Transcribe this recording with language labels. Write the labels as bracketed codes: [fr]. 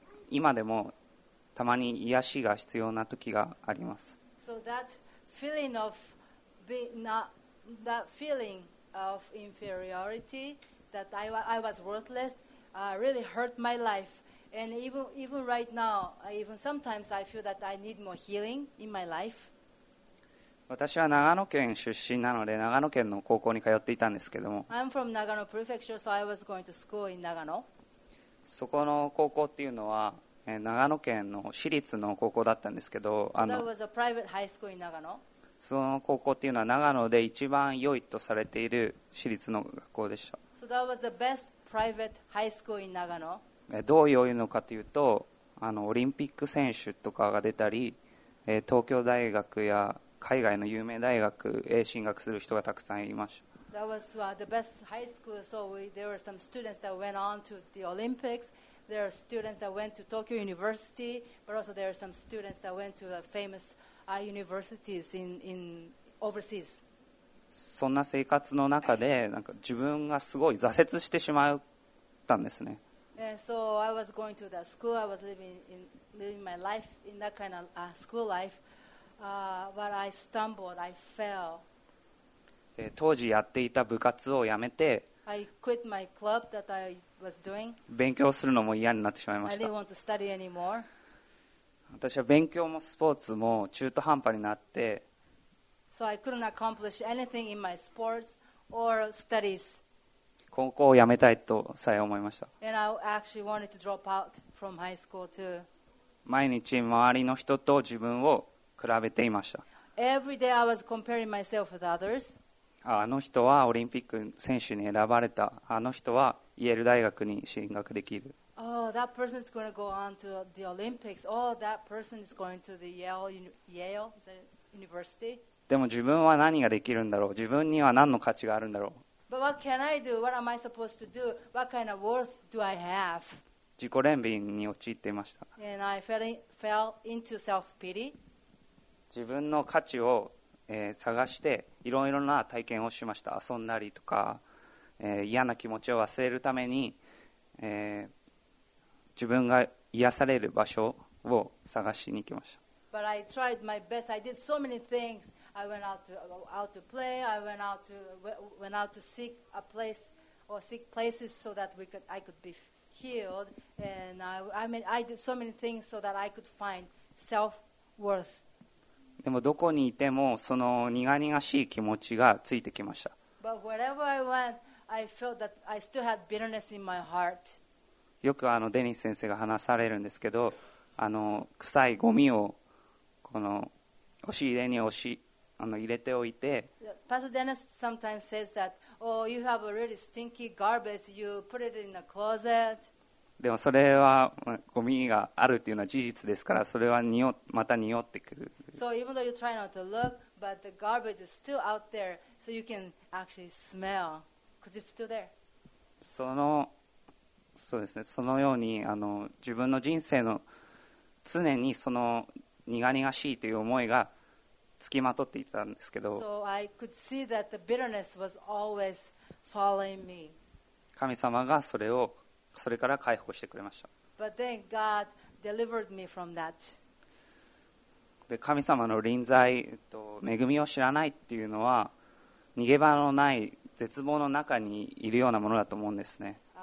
[ja] 今でもたまに癒しが必要な時があります。 [en] So that feeling of being not, that feeling of inferiority, that I was worthless, really hurt my life. And even right now, even sometimes I feel that I need more healing in my life. [ja] 私は長野県出身なので、長野県の高校に通っていたんですけども。 [en] I'm from Nagano Prefecture, so I was going to school in Nagano. [ja] そこの高校っていうのは、長野県の私立の高校だったんですけど、 [en] That was a private high school in Nagano. [ja] その高校っていうのは長野で一番良いとされている私立の学校でした。 [en] So that was the best private high school in Nagano. [ja] どう良いのかというと、オリンピック選手とかが出たり、東京大学や海外の有名大学へ進学する人がたくさんいました。 [en] That was the best high school. So there were some students that went on to the Olympics. There are students that went to Tokyo University, but also there are some students that went to the famous universities in overseas. [ja] そんな生活の中で、なんか自分がすごい挫折してしまったんですね。 [en] So I was going to that school. I was living my life in that kind of school life. But I stumbled, I fell. [ja] で当時やっていた部活を辞めて、 [en] I quit my club that I was doing. [ja] 勉強するのも嫌になってしまいました。 [en] I didn't want to study anymore. [ja] 私は勉強もスポーツも中途半端になって、 [en] So I couldn't accomplish anything in my sports or studies. [ja] 高校を辞めたいとさえ思いました。 [en] And I actually wanted to drop out from high school too. [ja] 毎日周りの人と自分を比べていました。 [en] Every day I was comparing myself with others. [ja] あの人はオリンピック選手に選ばれた。あの人はイェール大学に進学できる。 [en] Oh, that person is going to go on to the Olympics. Oh, that person is going to the Yale University. [ja] でも自分は何ができるんだろう。自分には何の価値があるんだろう。 [en] But what can I do? What am I supposed to do? What kind of worth do I have? [ja] 自己憐憫に陥っていました。 [en] And I fell into self-pity. [ja] 自分の価値を、探していろいろな体験をしました。遊んだりとか、嫌な気持ちを忘れるために、自分が癒される場所を探しに行きました。 [en] But I tried my best. I did so many things. I went out to play. I went out to seek a place or seek places so that I could be healed. And I did so many things so that I could find self-worth. [ja] でもどこにいてもその苦々しい気持ちがついてきました。 [en] But wherever I went, I felt that I still had bitterness in my heart. [ja] よくデニス先生が話されるんですけど、臭いゴミをこの押し入れに入れておいて。 [en] Pastor Dennis sometimes says that, oh, you have a really stinky garbage, you put it in a closet. [ja] でもそれはゴミがあるというのは事実ですから、それはまた匂ってくる。 [en] So even though you try not to look, but the garbage is still out there, so you can actually smell, because it's still there. [ja] そうですね、そのように自分の人生の常にその苦々しいという思いがつきまとっていたんですけど。 [en] So I could see that the bitterness was always following me. [ja] 神様がそれから解放してくれました。 [en] But then God delivered me from that. [ja] で神様の臨在、恵みを知らないっていうのは逃げ場のない絶望の中にいるようなものだと思うんですね。